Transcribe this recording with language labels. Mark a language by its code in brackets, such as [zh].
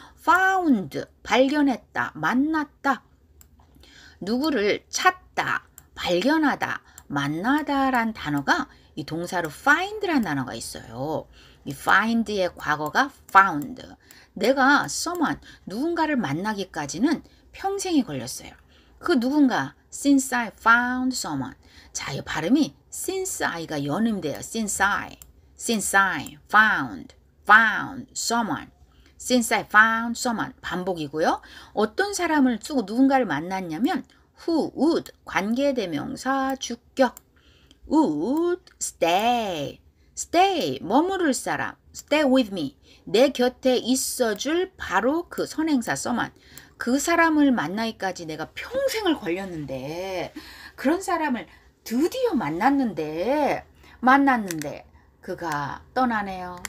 [ko] Found, 발견했다, 만났다. 누구를 찾다, 발견하다, 만나다 란 단어가 이 동사로 find 란 단어가 있어요. 이 find의 과거가 found. 내가 someone, 누군가를 만나기까지는 평생이 걸렸어요. 그 누군가 [en] since I found someone. [ko] 자, 이 발음이 since I가 연음돼요. [en] Since I found someone. Since I found someone [ko] 반복이고요. 어떤 사람을 쓰고 누군가를 만났냐면 who would 관계대명사 주격 would stay 머무를 사람 [en] stay with me [ko] 내 곁에 있어줄 바로 그 선행사 someone. 그 사람을 만나기까지 내가 평생을 걸렸는데 그런 사람을 드디어 만났는데 그가 떠나네요.